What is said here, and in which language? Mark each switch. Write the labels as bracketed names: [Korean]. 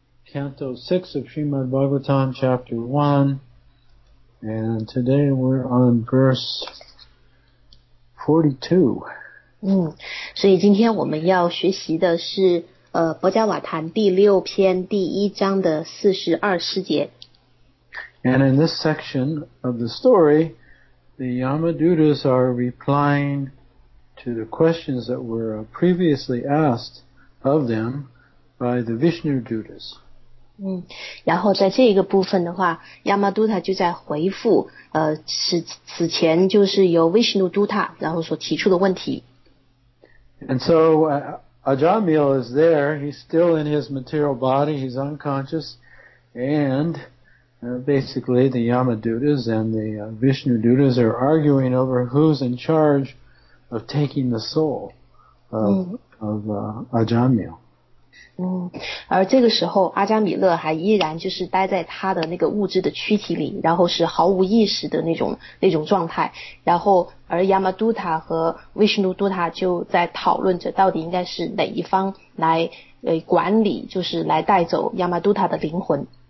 [English] Canto 6 of Srimad Bhagavatam, Chapter 1. And today we're on verse 42. [Chinese] 所以今天我们要学习的是《博迦瓦坛》第六篇第一章的42世节。 [English] And in this section of the story, the Yamadutas are replying to the questions that were previously asked of them by the Vishnu Dutas. [Chinese] 然后在这个部分的话 ,Yamaduta 就在回复此前就是由 Vishnu Duta 然后所提出的问题。 [English] And so, Ajamila is there, he's still in his material body, he's unconscious, and basically the Yamadutas and the Vishnu Dutas are arguing over who's in charge of taking the soul of Ajamila. [Chinese] 而这个时候阿加米勒还依然就是待在他的那个物质的躯体里，然后是毫无意识的那种状态，然后而亚玛杜塔和维什努杜塔就在讨论着到底应该是哪一方来管理，就是来带走亚玛杜塔的灵魂，